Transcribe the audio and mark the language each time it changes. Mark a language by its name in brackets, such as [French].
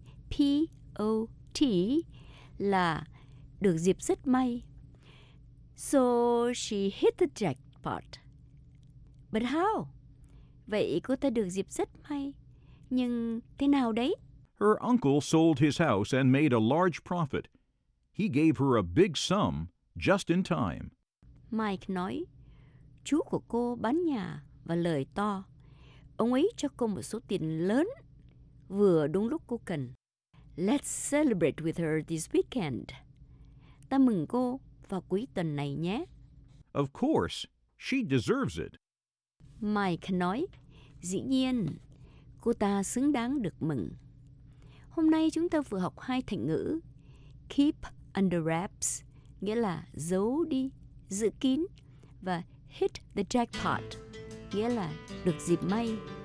[Vietnamese] J-A-C-K-P-O-T là được dịp rất may. [English] So she hit the jackpot. But how? [Vietnamese] Vậy cô ta được dịp rất may. Nhưng thế nào đấy? [English] Her uncle sold his house and made a large profit. He gave her a big sum just in time. [Vietnamese] Mike nói, chú của cô bán nhà và lời to. Ông ấy cho cô một số tiền lớn, vừa đúng lúc cô cần. [English] Let's celebrate with her this weekend. [Vietnamese] Ta mừng cô vào cuối tuần này nhé. [English] Of course, she deserves it. [Vietnamese] Mike nói, dĩ nhiên, cô ta xứng đáng được mừng. Hôm nay chúng ta vừa học hai thành ngữ. [English] Keep under wraps, [Vietnamese] nghĩa là giấu đi, giữ kín. Và [English] hit the jackpot, [Vietnamese] nghĩa là được dịp may.